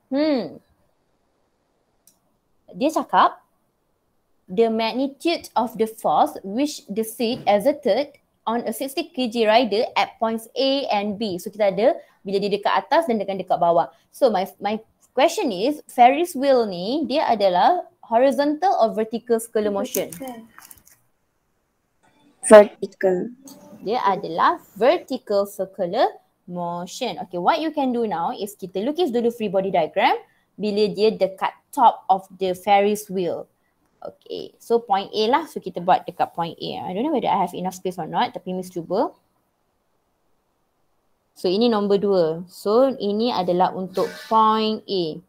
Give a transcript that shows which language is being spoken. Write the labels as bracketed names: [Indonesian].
[Malay] Dia cakap, [English] the magnitude of the force which the seat exerted on a 60 kg rider at points A and B. [Malay] So kita ada bila dia dekat atas dan dekat bawah. [English] So my question is, Ferris wheel [Malay] ni dia adalah [English] horizontal or vertical scalar motion? Vertical. [Malay] Dia adalah vertical scalar motion. [English] Okay, what you can do now is [Malay] kita lukis dulu [English] free body diagram bila dia dekat top of the Ferris wheel. Okay, so point A lah. [Malay] So kita buat dekat [English] point A. I don't know whether I have enough space or not. [Malay] Tapi Miss cuba. So ini nombor 2. So ini adalah untuk point A.